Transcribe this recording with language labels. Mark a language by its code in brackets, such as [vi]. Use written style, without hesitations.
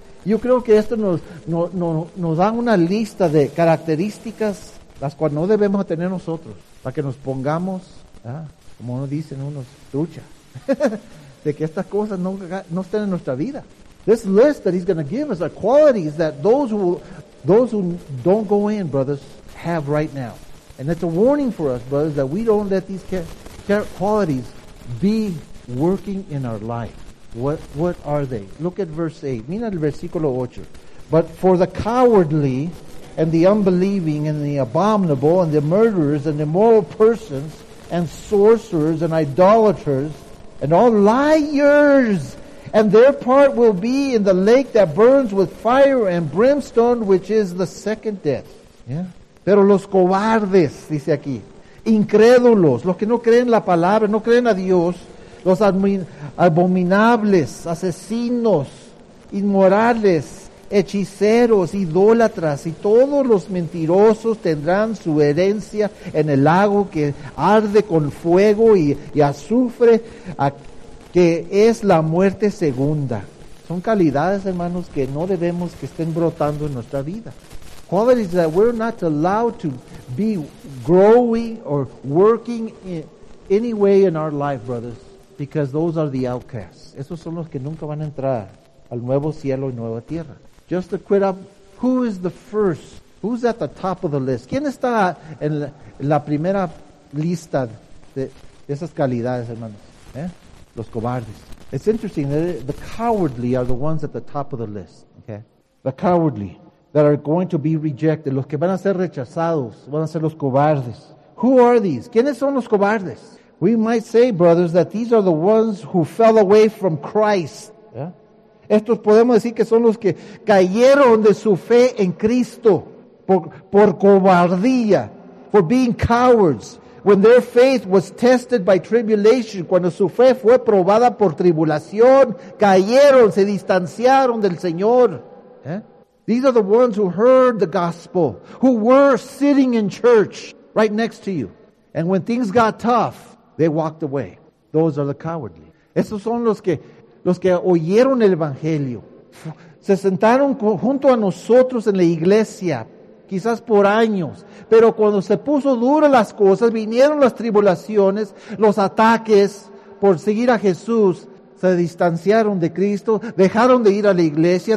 [es] Yo creo que esto nos da una lista de características las cuales no debemos tener nosotros, para que nos pongamos, ¿ah?, como nos dicen unos, trucha, de que estas cosas no estén en nuestra vida. [en] This list that he's going to give us are qualities that those who don't go in, brothers, have right now. And it's a warning for us, brothers, that we don't let these qualities be working in our life. What are they? Look at verse 8. [es] Mira el versículo 8. [en] But for the cowardly and the unbelieving and the abominable and the murderers and the immoral persons and sorcerers and idolaters and all liars, and their part will be in the lake that burns with fire and brimstone, which is the second death. Yeah. [es] Pero los cobardes, dice aquí, incrédulos, los que no creen la palabra, no creen a Dios, los abominables, asesinos, inmorales, hechiceros, idólatras y todos los mentirosos tendrán su herencia en el lago que arde con fuego y azufre, que es la muerte segunda. Son calidades, hermanos, que no debemos que estén brotando en nuestra vida. [en] Qualities that we're not allowed to be growing or working in any way in our life, brothers. Because those are the outcasts. [es] Esos son los que nunca van a entrar al nuevo cielo y nueva tierra. [en] Just to quit up, who is the first? Who's at the top of the list? [es] ¿Quién está en la primera lista de esas calidades, hermanos? Los cobardes. [en] It's interesting that the cowardly are the ones at the top of the list. Okay? The cowardly that are going to be rejected. [es] Los que van a ser rechazados van a ser los cobardes. [en] Who are these? [es] ¿Quiénes son los cobardes? [en] We might say, brothers, that these are the ones who fell away from Christ. [es] Yeah. Estos podemos decir que son los que cayeron de su fe en Cristo por cobardía, [en] for being cowards, [es] when their faith was tested by tribulation, cuando su fe fue probada por tribulación, cayeron, se distanciaron del Señor. Yeah. [en] These are the ones who heard the gospel, who were sitting in church right next to you. And when things got tough, they walked away. Those are the cowardly. [es] Esos son los que oyeron el evangelio. Se sentaron junto a nosotros en la iglesia, quizás por años. Pero cuando se puso dura las cosas, vinieron las tribulaciones, los ataques por seguir a Jesús. Se distanciaron de Cristo, dejaron de ir a la iglesia.